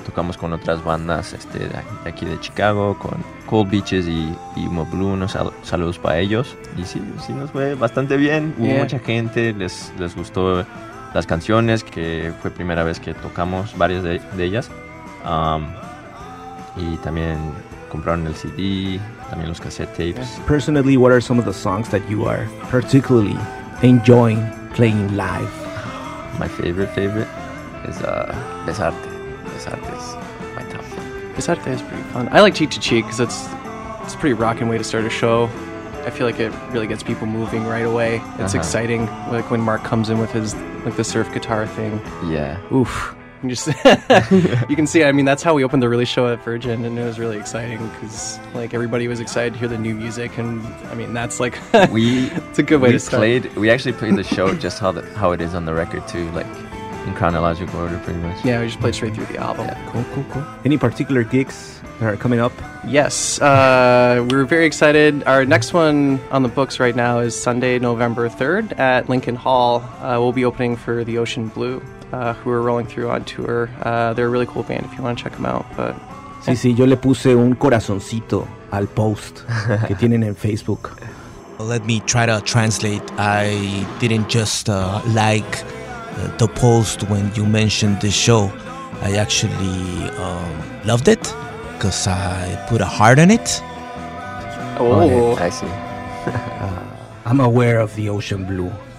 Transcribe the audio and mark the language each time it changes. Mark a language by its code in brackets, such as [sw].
[es] Tocamos con otras bandas de aquí de Chicago, con Cold Beaches y Mo Blue, unos saludos para ellos. Y sí, sí nos fue bastante bien, hubo mucha gente, les gustó las canciones, que fue primera vez que tocamos varias de ellas. Y también compraron el CD, también los cassette tapes. [en] Personally, what are some of the songs that you are particularly enjoying playing live? My favorite is Besarte. Besarte is my top one. Besarte is pretty fun. I like Cheek to Cheek because it's a pretty rocking way to start a show. I feel like it really gets people moving right away. It's exciting, like when Mark comes in with his the surf guitar thing. Yeah. Oof. You can see, I mean, that's how we opened the release show at Virgin, and it was really exciting because everybody was excited to hear the new music, and I mean that's it's a good way to start. We actually played the show just how it is on the record too, in chronological order pretty much. Yeah, we just played straight through the album. Yeah. Cool. Any particular gigs that are coming up? Yes, we're very excited. Our next one on the books right now is Sunday, November 3rd at Lincoln Hall. We'll be opening for The Ocean Blue. Who are rolling through on tour. They're a really cool band if you want to check them out. But [es] sí, sí, yo le puse un corazoncito al post que tienen en Facebook. [en] Let me try to translate. I didn't just like the post when you mentioned the show. I actually loved it because I put a heart on it. Oh, I see. I'm aware of The Ocean Blue.